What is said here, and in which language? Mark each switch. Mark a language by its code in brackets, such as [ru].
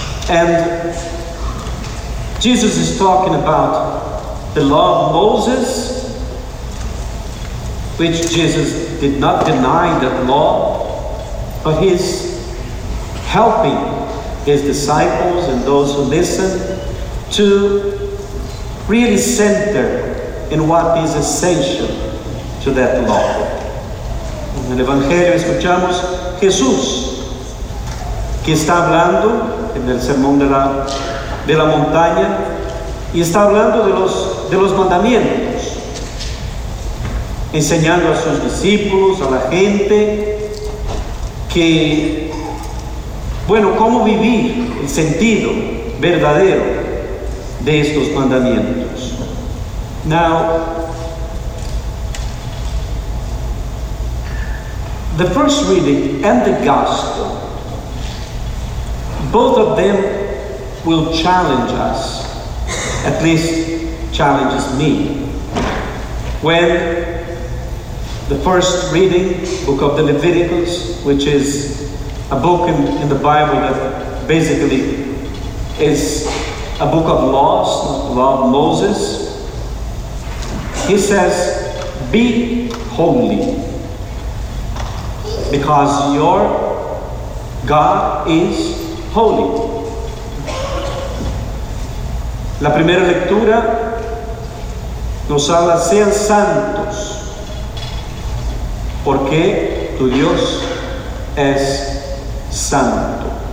[en] And Jesus is talking about the law of Moses, which Jesus did not deny that law, but he's helping his disciples and those who listen to really center in what is essential to that law. [pt] No Evangelho [es] escuchamos Jesús, que está hablando en el sermón de la montaña, y está hablando de los mandamientos, enseñando a sus discípulos, a la gente, que, bueno, cómo vivir el sentido verdadero de estos mandamientos. [en] Now, the first reading and the gospel, both of them will challenge us, at least challenges me. When the first reading, book of the Leviticus, which is a book in the Bible that basically is a book of laws, the law of Moses, he says, be holy, because your God is holy. [es] La primera lectura nos habla, sean santos, porque tu Dios es santo.